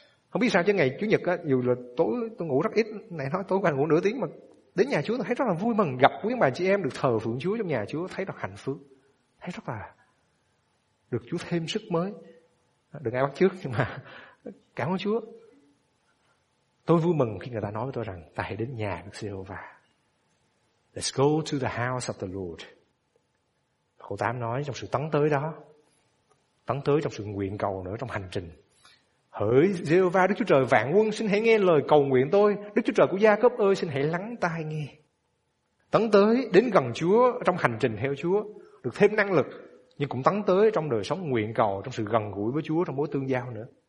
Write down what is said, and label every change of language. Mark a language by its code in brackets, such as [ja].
[vi] Không biết sao chứ ngày Chủ nhật á, dù là tối tôi ngủ rất ít, này nói tối qua ngủ nửa tiếng, mà đến nhà Chúa tôi thấy rất là vui mừng, gặp quý bà chị em được thờ phượng Chúa trong nhà Chúa, thấy rất hạnh phúc, thấy rất là được Chúa thêm sức mới. Đừng ai bắt chước, nhưng mà cảm ơn Chúa. Tôi vui mừng khi người ta nói với tôi rằng ta hãy đến nhà Đức Giê-hô-va. [en] Let's go to the house of the Lord. [vi] Câu 8 nói trong sự tấn tới đó, tấn tới trong sự nguyện cầu nữa, trong hành trình. Hỡi Giê-hô-va Đức Chúa Trời vạn quân, xin hãy nghe lời cầu nguyện tôi. Đức Chúa Trời của Gia-cốp ơi, xin hãy lắng tai nghe. Tấn tới đến gần Chúa trong hành trình theo Chúa, được thêm năng lực, nhưng cũng tấn tới trong đời sống nguyện cầu, trong sự gần gũi với Chúa, trong mối tương giao nữa.